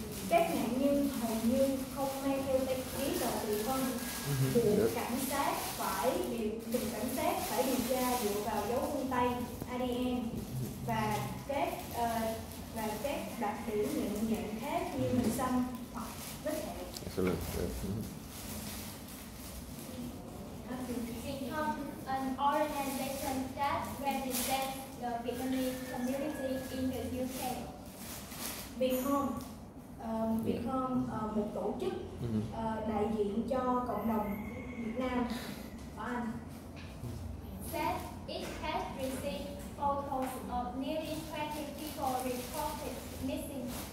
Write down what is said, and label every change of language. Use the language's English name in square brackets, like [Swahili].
[Vietnamese] các nạn nhân hầu như không mang theo giấy tờ tùy thân, buộc cảnh sát phải điều tra dựa vào dấu vân tay ADN và các đặc điểm nhận dạng khác như hình xăm hoặc vết [English] hẹo. Excellent. Become an organization of that the Vietnamese community in the UK. Become [Vietnamese] một tổ chức đại diện cho cộng đồng Việt Nam ở Anh. [English] That it has received photos of nearly 20 people reported missing.